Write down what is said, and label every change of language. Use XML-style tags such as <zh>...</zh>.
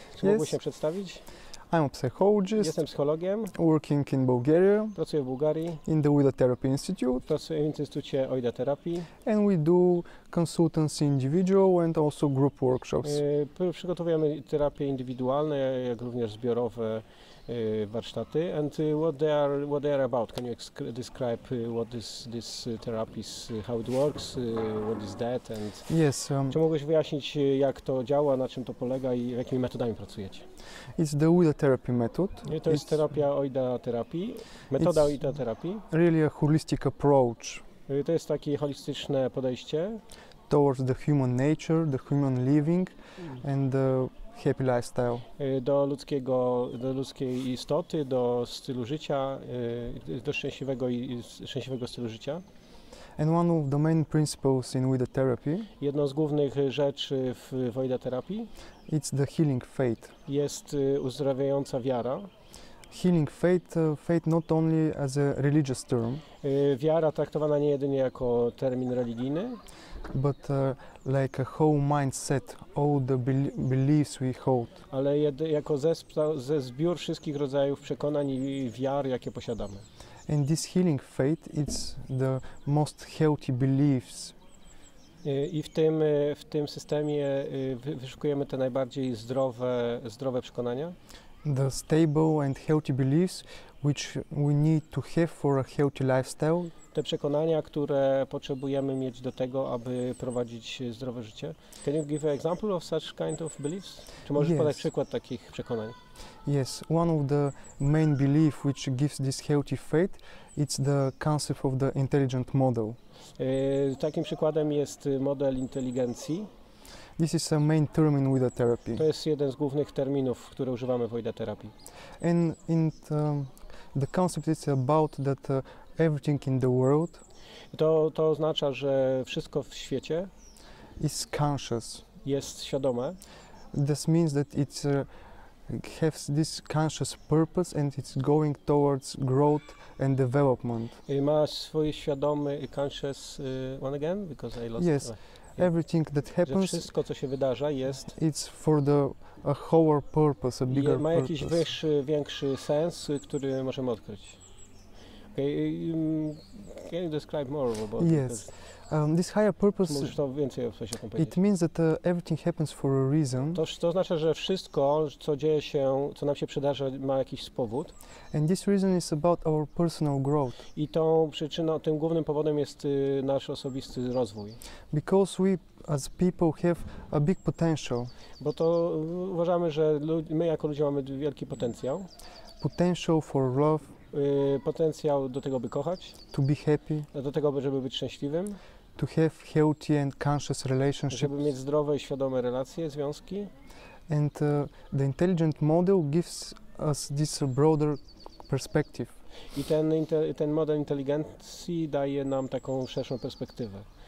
<pl>Czy mógłbyś się przedstawić?</pl> <en>I'm a psychologist.</en> <pl>Jestem psychologiem.</pl> <en>Working in Bulgaria.</en> <pl>Pracuję w Bułgarii.</pl> <en>In the Oida Therapy Institute.</en> <pl>Pracuję w Instytucie Oida Terapii.</pl> <en>And we do consultancy individual and also group workshops.</en> <pl>Przygotowujemy terapie indywidualne, jak również zbiorowe warsztaty.</pl> <en>And what they are about? Can you describe what this therapy is, how it works, what is that? And yes.</en> <pl>Czy mogłeś wyjaśnić, jak to działa, na czym to polega i jakimi metodami pracujecie?</pl> <en>It's the Oida therapy method.</en> <pl>Nie, to jest terapia Oida terapii. Metoda Oida terapii.</pl> <en>Really a holistic approach.</en> <pl>To jest takie holistyczne podejście.</pl> <en>Towards the human nature, the human living, and the happy lifestyle.</en> <pl>Do ludzkiej istoty, do stylu życia, do szczęśliwego stylu życia.</pl> <en>And one of the main principles in Oida therapy.</en> <pl>Jedną z głównych rzeczy w Oida terapii.</pl> <en>It's the healing faith.</en> <pl>Jest uzdrawiająca wiara.</pl> <en>Healing faith, faith not only as a religious term.</en> <pl>Wiara traktowana nie jedynie jako termin religijny.</pl> <en>But like a whole mindset, all the beliefs we hold.</en> <pl>Ale jako ze zbiór wszystkich rodzajów przekonań i wiar, jakie posiadamy.</pl> <en>And this healing faith, it's the most healthy beliefs.</en> <pl>I w tym systemie wyszukujemy te najbardziej zdrowe przekonania.</pl> <en>The stable and healthy beliefs which we need to have for a healthy lifestyle.</en> <pl>Te przekonania, które potrzebujemy mieć do tego, aby prowadzić zdrowe życie.</pl> <en>Can you give an example of such kind of beliefs?</en> <pl>Czy możesz podać przykład takich przekonań?</pl> <en>Yes, one of the main belief which gives this healthy faith, it's the concept of the intelligent model.</en> <pl>Takim przykładem jest model inteligencji.</pl> <en>This is a main term in Oida therapy.</en> <pl>To jest jeden z głównych terminów, które używamy w Oida terapii.</pl> <en>And in the concept is about that everything in the world.</en> <pl>To oznacza, że wszystko w świecie</pl> <en>is conscious.</en> <pl>Jest świadome.</pl> <en>This means that it's has this conscious purpose and it's going towards growth and development.</en> <pl>Ma swój świadomy</pl> <en>conscious one again because I lost. Yes. Everything that happens,</en> <pl>wszystko, co się wydarza, jest</pl> <en>it's for the a higher purpose, a bigger purpose.</en> <pl>Ma jakiś wyższy, większy sens, który możemy odkryć.</pl> <en>Okay, can you describe more about it? Yes. This higher purpose,</en> <pl>możesz to więcej o sobie powiedzieć.</pl> <en>It means that everything happens for a reason.</en> <pl>To oznacza, że wszystko, co dzieje się, co nam się przydarza, ma jakiś powód.</pl> <en>And this reason is about our personal growth.</en> <pl>I tą przyczyną, tym głównym powodem jest nasz osobisty rozwój.</pl> <en>Because we as people have a big potential.</en> <pl>Bo to uważamy, że my jako ludzie mamy wielki potencjał.</pl> <en>Potential for love.</en> <pl>Potencjał do tego, by kochać.</pl> <en>To be happy.</en> <pl>Do tego, żeby być szczęśliwym.</pl> <en>To have healthy and conscious relationships.</en> <pl>Żeby mieć zdrowe i świadome relacje, związki.</pl> <en>And the intelligent model gives us this broader perspective.</en> <pl>I ten model inteligencji daje nam taką szerszą perspektywę.</pl>